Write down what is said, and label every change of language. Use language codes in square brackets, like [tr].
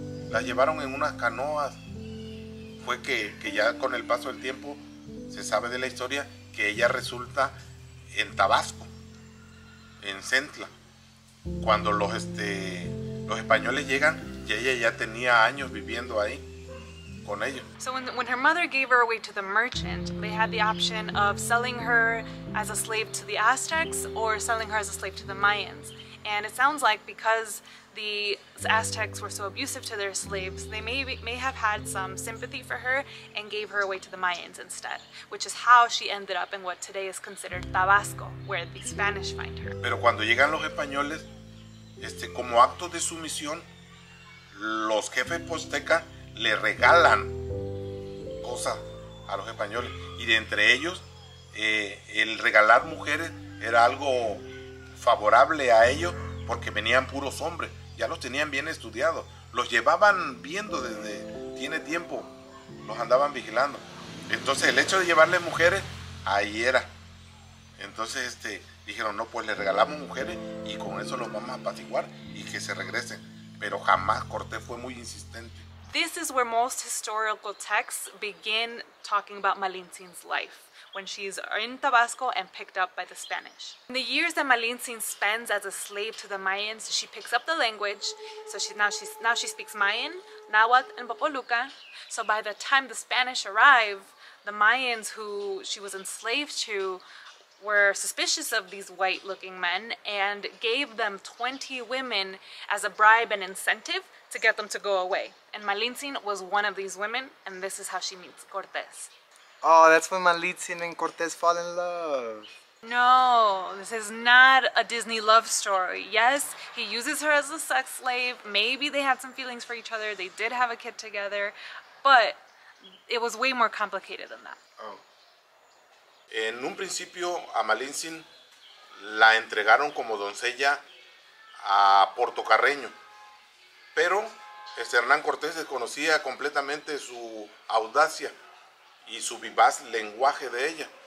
[es] La llevaron en unas canoas. Fue que ya con el paso del tiempo se sabe de la historia que ella resulta en Tabasco, en Centla. Cuando los españoles llegan, y ella ya tenía años viviendo ahí con ellos. [en] So when her mother gave her away to the merchant, they had the option of selling her as a slave to the Aztecs or selling her as a slave to the Mayans. And it sounds like because the Aztecs were so abusive to their slaves, they may have had some sympathy for her and gave her away to the Mayans instead, which is how she ended up in what today is considered Tabasco, where the Spanish find her. [es] Pero cuando llegan los españoles, como acto de sumisión, los jefes postecas le regalan cosas a los españoles, y de entre ellos, el regalar mujeres era algo favorable a ellos, porque venían puros hombres, ya los tenían bien estudiados, los llevaban viendo desde tiene tiempo, los andaban vigilando. Entonces el hecho de llevarle mujeres, ahí era. Entonces dijeron: no, pues le regalamos mujeres y con eso los vamos a apaciguar y que se regresen. Pero jamás Cortés fue muy insistente. [en] This is where most historical texts begin talking about Malintzin's life, when she's in Tabasco and picked up by the Spanish. In the years that Malintzin spends as a slave to the Mayans, she picks up the language, so she speaks Mayan, Nahuatl, and Popoluca. So by the time the Spanish arrive, the Mayans who she was enslaved to were suspicious of these white-looking men and gave them 20 women as a bribe and incentive to get them to go away. And Malintzin was one of these women, and this is how she meets Cortés. Oh, that's when Malintzin and Cortés fall in love. No, this is not a Disney love story. Yes, he uses her as a sex slave. Maybe they had some feelings for each other. They did have a kid together. But It was way more complicated than that. Oh. [es] En un principio, a Malintzin la entregaron como doncella a Porto Carreño. Pero este Hernán Cortés desconocía completamente su audacia y su vivaz lenguaje de ella.